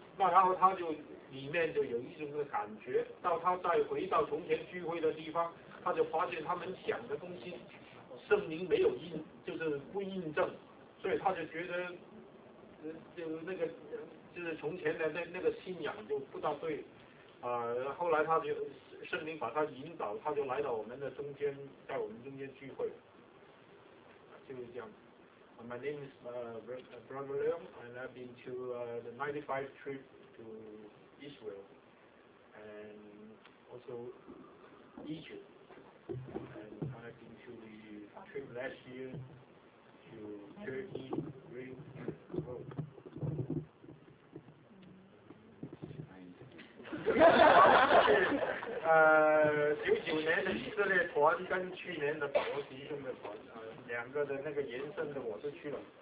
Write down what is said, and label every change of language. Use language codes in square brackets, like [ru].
[zh] 那然后他就里面就有一种的感觉到，他再回到从前聚会的地方，他就发现他们讲的东西圣灵没有印，就是不印证。所以他就觉得就那个就是从前的那个信仰就不大对。后来他就圣灵把他引导，他就来到我们的中间，在我们中间聚会，就是这样。 [en] My name is Brother Leon, and I've been to the 95 trip to Israel and also Egypt, and I've been to the trip last year to Turkey, Greece, Rome. [zh] '99年的以色列团跟去年的保罗弟兄的团，两个的那个延伸的我都去了。